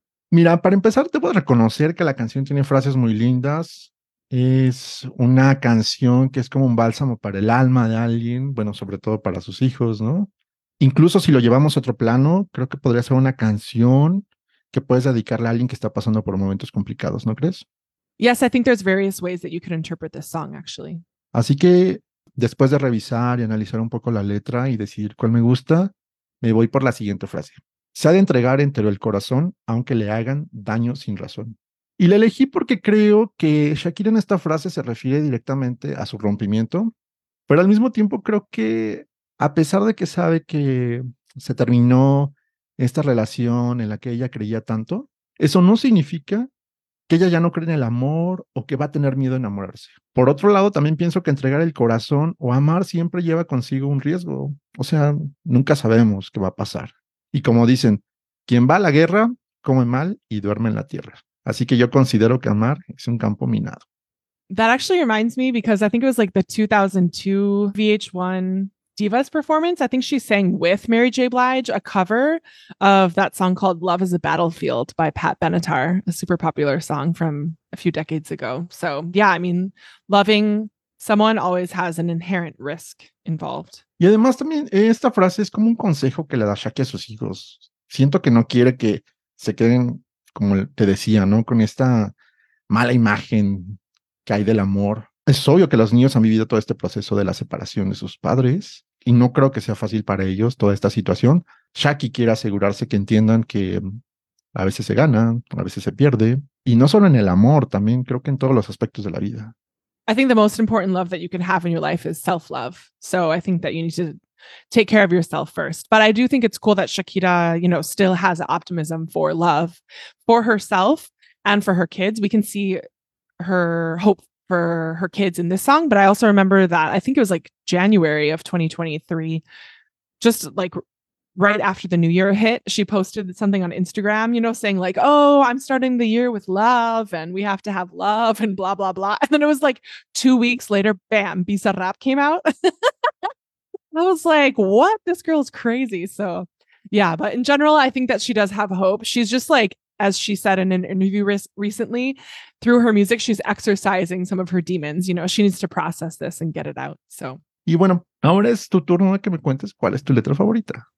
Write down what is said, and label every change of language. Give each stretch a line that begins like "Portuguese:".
Spanish: Mira, para empezar, debo reconocer que la canción tiene frases muy lindas. Es una canción que es como un bálsamo para el alma de alguien, bueno, sobre todo para sus hijos, ¿no? Incluso si lo llevamos a otro plano, creo que podría ser una canción que puedes dedicarle a alguien que está pasando por momentos complicados, ¿no crees?
English: Yes, I think there's various ways that you could interpret this song, actually.
Spanish: Así que después de revisar y analizar un poco la letra y decidir cuál me gusta, me voy por la siguiente frase. Se ha de entregar entero el corazón, aunque le hagan daño sin razón. Y la elegí porque creo que Shakira en esta frase se refiere directamente a su rompimiento, pero al mismo tiempo creo que a pesar de que sabe que se terminó esta relación en la que ella creía tanto, eso no significa que ella ya no cree en el amor o que va a tener miedo a enamorarse. Por otro lado, también pienso que entregar el corazón o amar siempre lleva consigo un riesgo. O sea, nunca sabemos qué va a pasar. Y como dicen, quien va a la guerra, come mal y duerme en la tierra. Así que yo considero que amar es un campo minado.
English: That actually reminds me because I think it was like the 2002 VH1 Divas performance. I think she sang with Mary J. Blige a cover of that song called Love is a Battlefield by Pat Benatar, a super popular song from a few decades ago. So yeah, I mean, loving someone always has an inherent risk involved.
Spanish: Y además también esta frase es como un consejo que le da Shaki a sus hijos. Siento que no quiere que se queden, como te decía, ¿no? Con esta mala imagen que hay del amor. Es obvio que los niños han vivido todo este proceso de la separación de sus padres y no creo que sea fácil para ellos toda esta situación. Shaki quiere asegurarse que entiendan que a veces se gana, a veces se pierde. Y no solo en el amor, también creo que en todos los aspectos de la vida.
English: I think the most important love that you can have in your life is self-love. So I think that you need to take care of yourself first. But I do think it's cool that Shakira, you know, still has optimism for love for herself and for her kids. We can see her hope for her kids in this song. But I also remember that I think it was like January of 2023, just like right after the new year hit, she posted something on Instagram, you know, saying like, oh, I'm starting the year with love and we have to have love and blah, blah, blah. And then it was like 2 weeks later, bam, Bizarrap came out. I was like, what? This girl's crazy. So yeah, but in general, I think that she does have hope. She's just like, as she said in an interview recently, through her music, she's exercising some of her demons. You know, she needs to process this and get it out. So.
Spanish: Y bueno, ahora es tu turno de que me cuentes cuál es tu letra favorita.